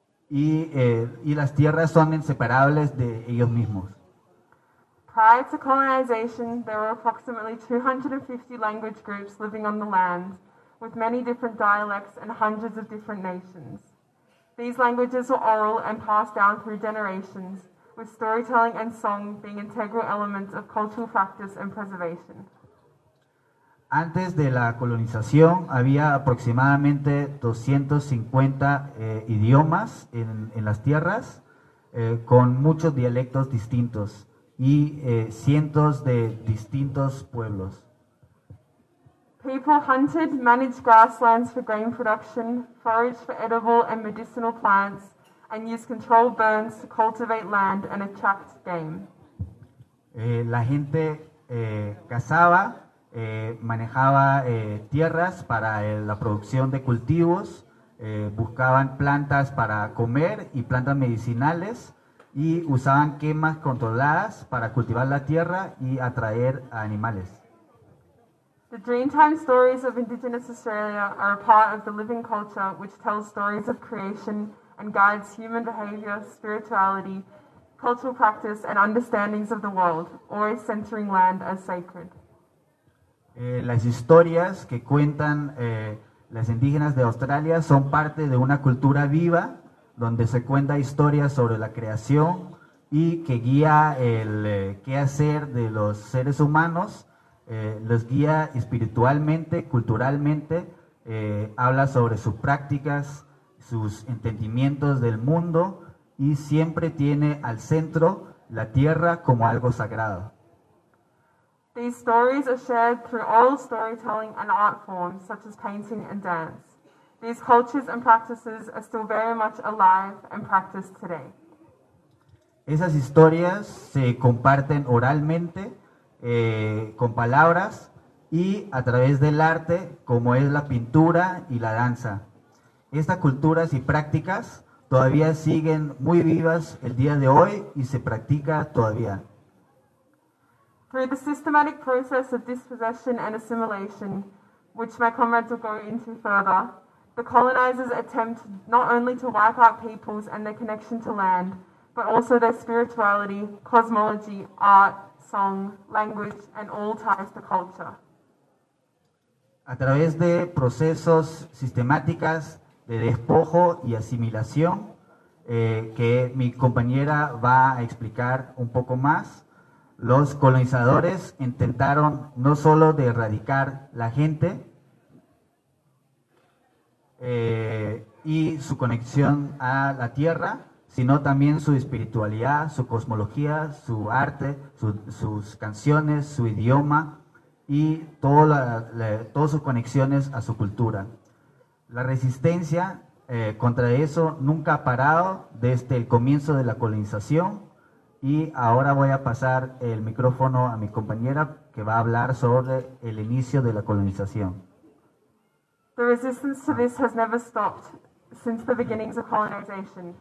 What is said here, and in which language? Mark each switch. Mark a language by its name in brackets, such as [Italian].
[Spanish] Y las tierras son inseparables de ellos mismos. [English] Prior to colonization, there were approximately 250 language groups living on the land, with many different dialects and hundreds of different nations. These languages were oral and passed down through generations, with storytelling and song being integral elements of cultural practice and preservation. [Spanish] Antes de la colonización había aproximadamente 250 idiomas en las tierras con muchos dialectos distintos y cientos de distintos pueblos. [English] People hunted, managed grasslands for grain production, foraged for edible and medicinal plants, and used controlled burns to cultivate land and attract game. [Spanish] La gente cazaba, manejaba tierras para la producción de cultivos, buscaban plantas para comer y plantas medicinales, y usaban quemas controladas para cultivar la tierra y atraer a animales. [English] The Dreamtime stories of Indigenous Australia are a part of the living culture which tells stories of creation and guides human behavior, spirituality, cultural practice and understandings of the world, always centering land as sacred. [Spanish] Las historias que cuentan las indígenas de Australia son parte de una cultura viva donde se cuenta historias sobre la creación y que guía el quehacer de los seres humanos, los guía espiritualmente, culturalmente, habla sobre sus prácticas, sus entendimientos del mundo y siempre tiene al centro la tierra como algo sagrado. [English] These stories are shared through oral storytelling and art forms such as painting and dance. These cultures and practices are still very much alive and practiced today. [Spanish] Esas historias se comparten oralmente, con palabras y a través del arte, como es la pintura y la danza. Estas culturas y prácticas todavía siguen muy vivas el día de hoy y se practica todavía. [English] Through the systematic process of dispossession and assimilation, which my comrades will go into further, the colonizers attempt not only to wipe out peoples and their connection to land, but also their spirituality, cosmology, art, song, language, and all ties to culture. [Spanish] A través de procesos sistemáticas de despojo y asimilación, que mi compañera va a explicar un poco más, los colonizadores intentaron no solo de erradicar la gente y su conexión a la tierra, sino también su espiritualidad, su cosmología, su arte, sus canciones, su idioma y todas sus conexiones a su cultura. La resistencia contra eso nunca ha parado desde el comienzo de la colonización. Y ahora voy a pasar el micrófono a mi compañera que va a hablar sobre el inicio de la colonización. [English] The resistance to this has never stopped since the beginnings of colonization.